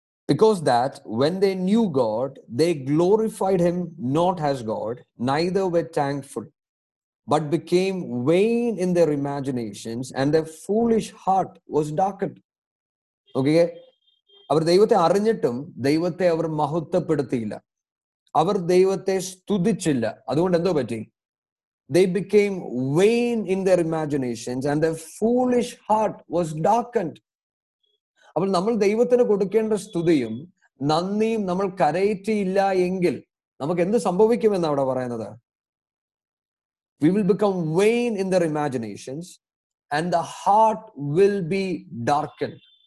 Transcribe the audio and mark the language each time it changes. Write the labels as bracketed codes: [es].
[en] Because that when they knew God, they glorified him not as God, neither were thankful, but became vain in their imaginations, and their foolish heart was darkened. [ml] Okay, അവർ ദൈവത്തെ അറിഞ്ഞിട്ടും ദൈവത്തെ അവർ മഹത്വപ്പെടുത്തിയില്ല, അവർ ദൈവത്തെ സ്തുതിച്ചില്ല. അതുകൊണ്ട് എന്തോ പറ്റി. [en] They became vain in their imaginations, and their foolish heart was darkened. [ml] അപ്പോൾ നമ്മൾ ദൈവത്തിന് കൊടുക്കേണ്ട സ്തുതിയും നന്ദിയും നമ്മൾ കരയറ്റിയില്ല എങ്കിൽ നമുക്ക് എന്ത് സംഭവിക്കുമെന്ന് അവിടെ പറയുന്നത്, [en] We will become vain in their imaginations and the heart will be darkened.